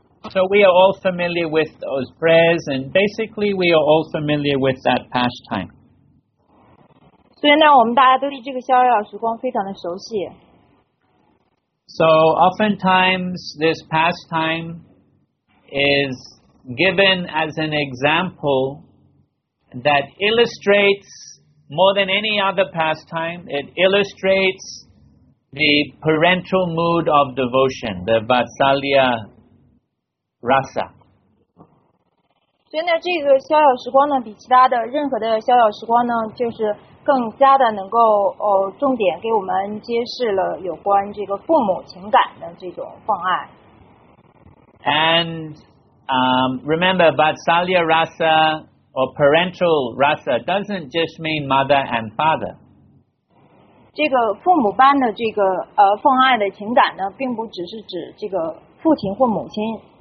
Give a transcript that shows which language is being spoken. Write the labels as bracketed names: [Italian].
[English] So we are all familiar with those prayers, and basically we are all familiar with that pastime. [Chinese] 所以呢，我们大家都对这个逍遥时光非常的熟悉。 [English] So, oftentimes this pastime is given as an example that illustrates more than any other pastime, it illustrates the parental mood of devotion, the Vatsalya Rasa. [Chinese] 所以呢，这个逍遥时光呢，比其他的任何的逍遥时光呢，就是更加的能够重点给我们揭示了有关这个父母情感的这种关爱。 [English] And remember, Vatsalya Rasa. Or parental rasa doesn't just mean mother and father. [Chinese] 这个父母般的这个奉爱的情感呢，并不只是指这个父亲或母亲。